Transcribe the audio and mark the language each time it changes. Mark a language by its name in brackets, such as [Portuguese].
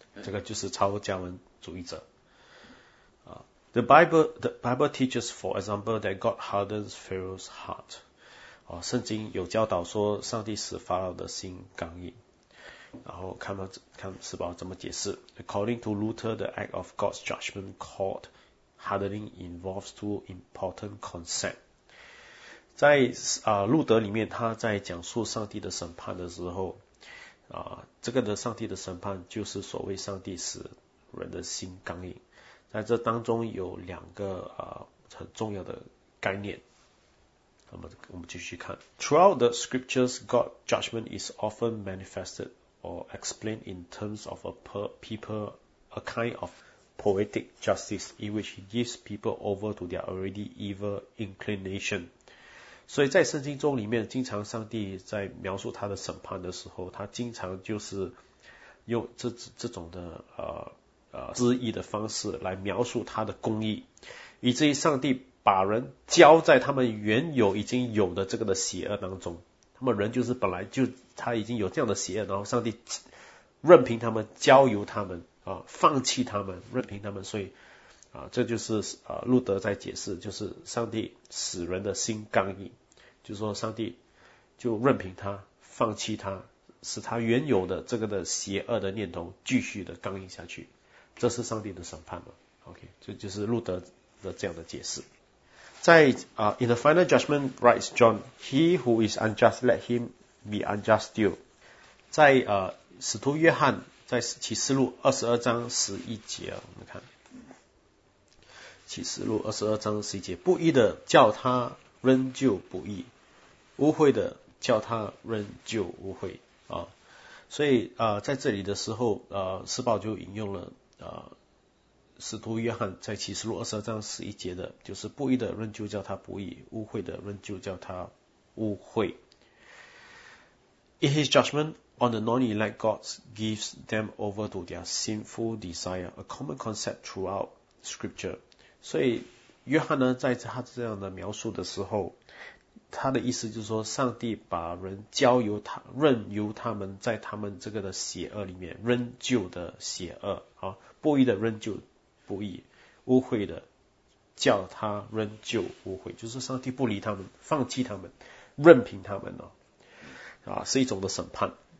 [Chinese] 这个就是超加文主义者。 [English] The Bible teaches, for example, that God hardens Pharaoh's heart. [Chinese] 圣经有教导说，上帝使法老的心刚硬。然后看释宝怎么解释。 [English] According to Luther, the act of God's judgment called hardening involves two important concepts. [Chinese] 在路德里面，他在讲述上帝的审判的时候。这个的上帝的审判就是所谓上帝使人的心刚硬，在这当中有两个很重要的概念，我们继续看。 [English] Throughout the scriptures, God's judgment is often manifested or explained in terms of a people, a kind of poetic justice in which he gives people over to their already evil inclination. [Chinese] 所以在圣经中里面，经常上帝在描述他的审判的时候，他经常就是用 这种的恣意的方式来描述他的公义，以至于上帝把人交在他们原有已经有的这个的邪恶当中。他们人就是本来就他已经有这样的邪恶，然后上帝任凭他们交由他们啊，放弃他们，任凭他们。所以啊，这就是啊，路德在解释，就是上帝使人的心刚硬，就是说上帝就任凭他，放弃他，使他原有的这个的邪恶的念头继续的刚硬下去，这是上帝的审判嘛 ？OK， 这就是路德的这样的解释。在啊 [English] ，In the final judgment writes John, he who is unjust, let him be unjust still. [Chinese] 在使徒约翰在启示录22:11，我们看。启示录22:11，不义的叫他仍旧不义，污秽的叫他仍旧污秽啊。所以在这里的时候施暴就引用了使徒约翰在启示录22:11的，就是不义的仍旧叫他不义，污秽的仍旧叫他污秽。 [English] In his judgment on the non-elect, God gives them over to their sinful desire, a common concept throughout Scripture. [Chinese] 所以约翰呢，在他这样的描述的时候，他的意思就是说，上帝把人交由他，任由他们在他们这个的邪恶里面，仍旧的邪恶啊，不义的仍旧不义，污秽的叫他仍旧污秽，就是上帝不理他们，放弃他们，任凭他们是一种的审判。